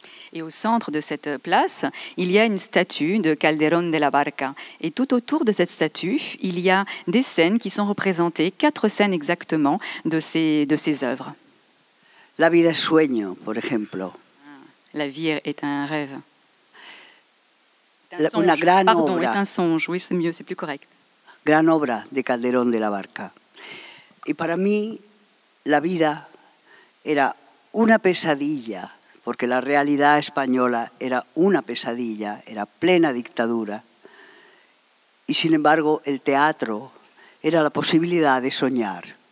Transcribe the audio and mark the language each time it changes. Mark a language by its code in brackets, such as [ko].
[fr] Et au centre de cette place, il y a une statue de Calderón de la Barca. Et tout autour de cette statue, il y a des scènes qui sont représentées, quatre scènes exactement, de ses œuvres. [es] La vida es sueño, por ejemplo. [fr] La vie est un rêve. Est un songe, oui, c'est mieux, c'est plus correct. [es] Gran obra de Calderón de la Barca. [fr] Et pour moi, la vie était une pesadilla, parce que la réalité espagnole était une pesadilla, était [es] plena dictadura. [fr] Et [es] sin embargo, [fr] le théâtre était la possibilité de soñar.